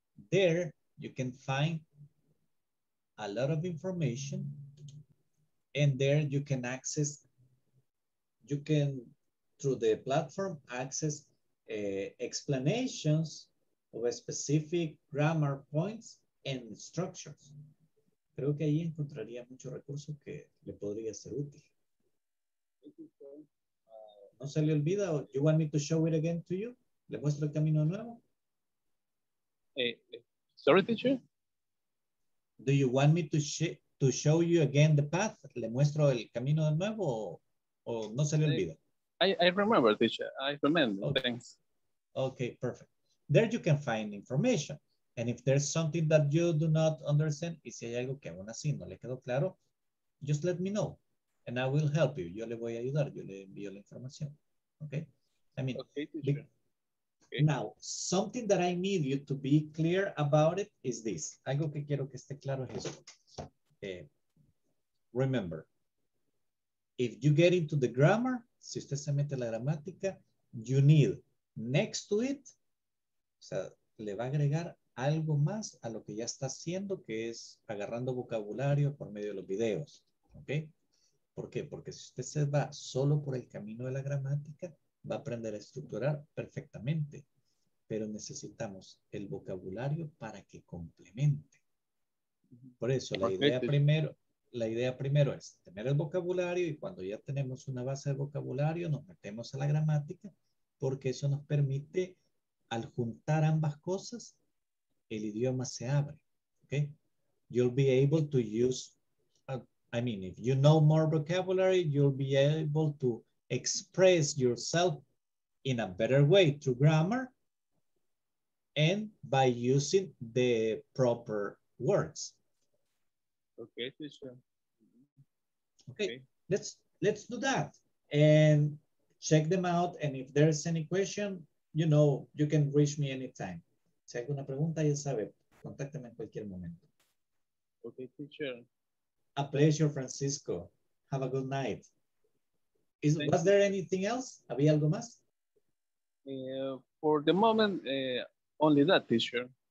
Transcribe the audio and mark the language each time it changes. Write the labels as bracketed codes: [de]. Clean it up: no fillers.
[en] There you can find a lot of information. And there you can access, you can through the platform access explanations of a specific grammar points and structures. [es] Creo que ahí encontraría mucho recurso que le podría ser útil. No se le olvida. [en] You want me to show it again to you? [es] ¿Le muestro el camino nuevo? [en] Sorry, teacher. Do you want me to show you again the path? [es] ¿Le muestro el camino de nuevo o no se le olvida? [en] I remember, teacher. I remember. Okay. Thanks. Okay, perfect. There you can find information. And if there's something that you do not understand, [es] y si hay algo que aún así no le quedó claro, [en] just let me know. And I will help you. [es] Yo le voy a ayudar. Yo le envío la información. Okay? [en] I mean, okay, teacher. Okay. Now, something that I need you to be clear about it is this. [es] Algo que quiero que esté claro es esto. [en] Remember, if you get into the grammar, [es] si usted se mete la gramática, [en] you need next to it, [es] o sea, le va a agregar algo más a lo que ya está haciendo, que es agarrando vocabulario por medio de los videos. Okay? ¿Por qué? Porque si usted se va solo por el camino de la gramática, va a aprender a estructurar perfectamente. Pero necesitamos el vocabulario para que complemente. Por eso, la idea primero es tener el vocabulario y cuando ya tenemos una base de vocabulario, nos metemos a la gramática, porque eso nos permite, al juntar ambas cosas, el idioma se abre. [en] ¿Okay? You'll be able to use... I mean, if you know more vocabulary, you'll be able to express yourself in a better way through grammar and by using the proper words. Okay, teacher. Okay, let's do that and check them out. And if there's any question, you know, you can reach me anytime. [es] Si hay alguna pregunta, ya sabe, contáctame en cualquier momento. [en] Okay, teacher. A pleasure, Francisco. Have a good night. Was there anything else? [es] ¿Había algo más? [en] For the moment, only that, teacher.